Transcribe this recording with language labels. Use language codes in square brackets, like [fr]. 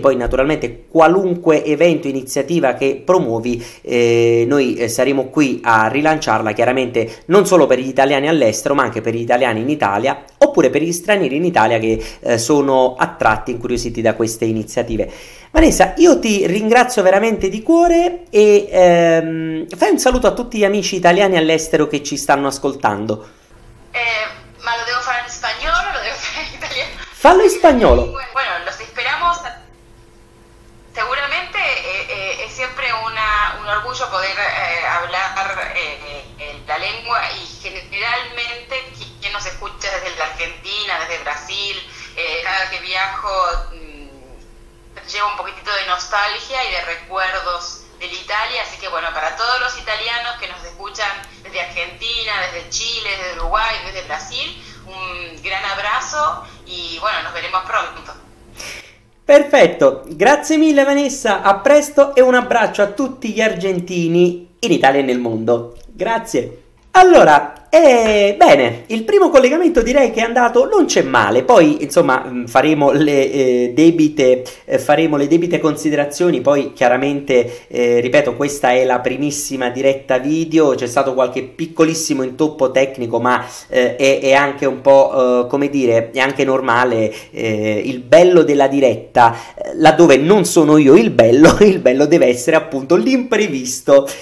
[it] Poi, naturalmente, qualunque evento, iniziativa che promuovi, noi saremo qui a rilanciarla, chiaramente non solo per gli italiani all'estero, ma anche per gli italiani in Italia, oppure per gli stranieri in Italia che sono attratti, incuriositi da queste iniziative. Vanessa, io ti ringrazio veramente di cuore e fai un saluto a tutti gli amici italiani all'estero che ci stanno ascoltando. Ma lo devo fare in spagnolo, lo devo fare in italiano, Fallo in perché sono bilingue. spagnolo. [es] Bueno, los esperamos. Seguramente es siempre un orgullo poder hablar la lengua, y generalmente quien nos escucha desde la Argentina, desde Brasil, cada que viajo llevo un poquitito de nostalgia y de recuerdos del Italia, así que bueno, para todos los italianos que nos escuchan desde Argentina, desde Chile, desde Uruguay, desde Brasil, un gran abrazo y bueno, nos veremos pronto. [it] Perfetto, grazie mille Vanessa, a presto e un abbraccio a tutti gli argentini in Italia e nel mondo. Grazie. Allora, bene, il primo collegamento direi che è andato, non c'è male, poi insomma faremo le debite considerazioni, poi chiaramente, ripeto, questa è la primissima diretta video, c'è stato qualche piccolissimo intoppo tecnico, ma è anche un po', come dire, è anche normale, il bello della diretta, laddove non sono io il bello deve essere appunto l'imprevisto.